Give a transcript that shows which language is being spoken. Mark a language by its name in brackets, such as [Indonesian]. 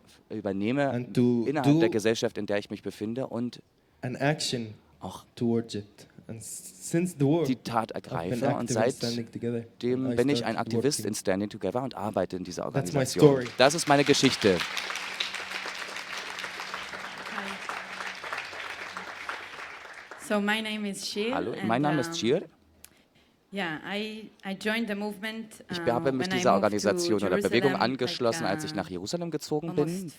[German] übernehme innerhalb der Gesellschaft, in der ich mich befinde und auch die Tat ergreife und seitdem bin ich ein Aktivist in Standing Together und arbeite in dieser Organisation. Das ist meine Geschichte. [English] So my name is Shir. [German] Hallo, mein Name ist Shir. [English] Yeah, I joined the movement. [German] Ich habe mich dieser Organisation oder Bewegung angeschlossen, als ich nach Jerusalem gezogen bin.